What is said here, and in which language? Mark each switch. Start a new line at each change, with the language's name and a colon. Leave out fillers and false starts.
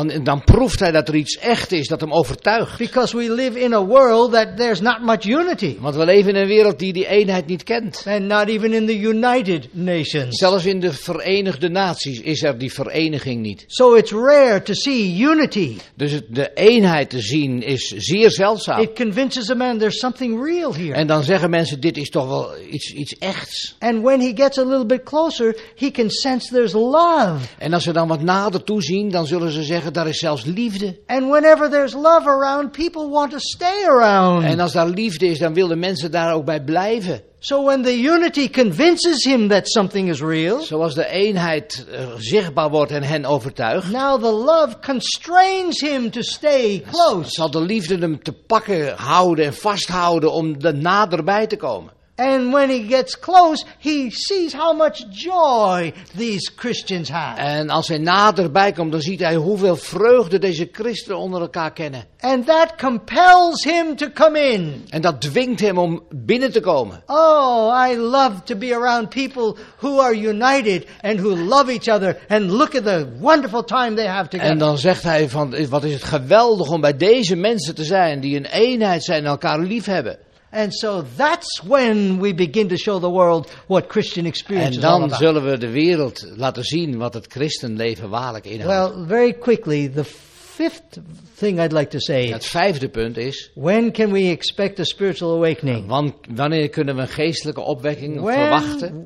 Dutch: Dan proeft hij dat er iets echt is dat hem overtuigt.
English: Because we live in a world that there's not much unity.
Dutch: Want we leven in een wereld die eenheid niet kent.
English: And not even in the United Nations.
Dutch: Zelfs in de Verenigde Naties is er die vereniging niet.
English: So it's rare to see unity.
Dutch: Dus de eenheid te zien is zeer zeldzaam.
English: It convinces a man there's something real here.
Dutch: En dan zeggen mensen dit is toch wel iets echts.
English: And when he gets a little bit closer, he can sense there's love.
Dutch: En als ze dan wat nader toezien, dan zullen ze zeggen daar is zelfs liefde.
English: And whenever there's love around, people want to stay around.
Dutch: En als daar liefde is, dan willen mensen daar ook bij blijven.
English: So when the unity convinces him that something is real,
Dutch: zoals de eenheid zichtbaar wordt en hen overtuigt,
English: now the love constrains him to stay close.
Dutch: Zal de liefde hem te pakken houden en vasthouden om er naderbij te komen.
English: And when he gets close, he sees how much joy these Christians have.
Dutch: En als hij naderbij komt, dan ziet hij hoeveel vreugde deze christenen onder elkaar kennen.
English: And that compels him to come in.
Dutch: En dat dwingt hem om binnen te komen.
English: Oh, I love to be around people who are united and who love each other and look at the wonderful time they have together.
Dutch: En dan zegt hij van, wat is het geweldig om bij deze mensen te zijn die in eenheid zijn en elkaar lief hebben.
English: And so that's when we begin to show the world what Christian experience
Dutch: en
English: is all about.
Dutch: En dan zullen we de wereld laten zien wat het christenleven waarlijk inhoudt.
English: Well, very quickly, the fifth thing I'd like to say.
Dutch: Het vijfde punt is.
English: When can we expect a spiritual awakening?
Dutch: Wanneer kunnen we een geestelijke opwekking verwachten?